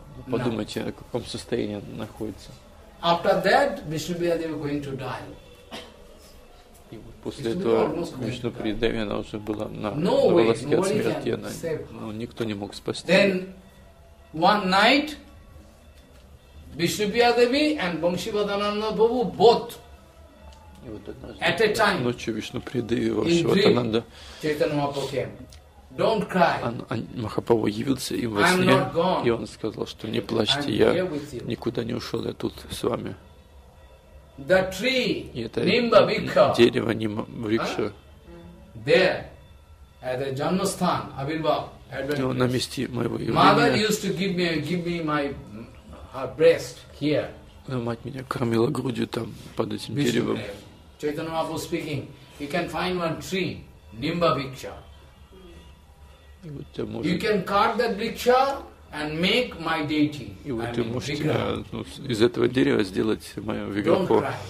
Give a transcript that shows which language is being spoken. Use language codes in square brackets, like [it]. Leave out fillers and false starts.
[ru] Подумайте, в каком состоянии находится. И вот после этого Вишнуприя Деви, она уже была на волоске от смерти, она, ну, никто не мог спасти. [en] One night, Vishnupriya Devi and Vamshivadananda Babu both. At a time. [ru] Ночью Вишнуприя Деви, Вамшивадананда. [en] Chaitanya Mahaprabhu came. Don't cry. [ru] Махапрабху явился им во сне, и он сказал, что не плачьте, я никуда не ушел, я тут с вами. [en] The tree, Nimba Vriksha. [ru] Дерево Нимба Вриксха. [en] There, at the Janmasthan, Avirbhav. [ru] Но на месте моего явления. [en] Mother used to give me my her breast here. [ru] Мать меня кормила грудью там под этим деревом. [en] Chaitanya Mahaprabhu speaking. You can find one tree, Nimba Vriksha. You can cut that vriksha and make my deity. [ru] И вот ты можешь, ну, из этого дерева сделать мое виграхо.